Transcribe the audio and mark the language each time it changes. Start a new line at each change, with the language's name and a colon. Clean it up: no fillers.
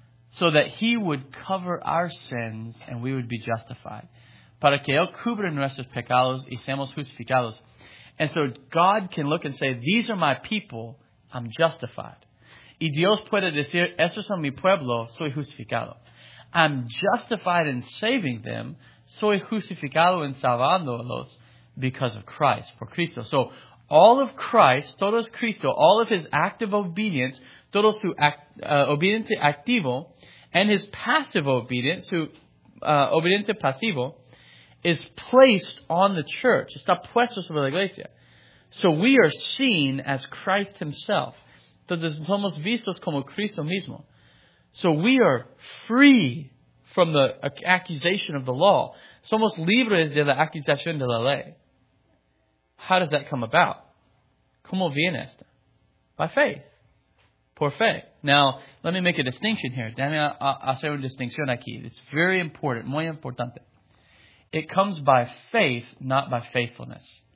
English: So that he would cover our sins and we would be justified.
Spanish: Para que él cubra nuestros pecados y seamos justificados.
English: And so God can look and say, these are my people, I'm justified.
Spanish: Y Dios puede decir, estos son mi pueblo, soy justificado.
English: I'm justified in saving them,
Spanish: soy justificado en salvándolos
English: because of Christ,
Spanish: por Cristo.
English: So all of Christ,
Spanish: todo es Cristo,
English: all of his act of obedience,
Spanish: todo su obediente activo,
English: and his passive obedience,
Spanish: su obediente pasivo,
English: is placed on the church.
Spanish: Está puesto sobre la iglesia.
English: So we are seen as Christ himself.
Spanish: Entonces somos vistos como Cristo mismo.
English: So we are free from the accusation of the law.
Spanish: Somos libres de la acusación de la ley.
English: How does that come about?
Spanish: ¿Cómo viene esto?
English: By faith.
Spanish: Por fe.
English: Now, let me make a distinction here.
Spanish: Déjame hacer una distinción aquí.
English: It's very important.
Spanish: Muy importante.
English: It comes by faith, not by faithfulness.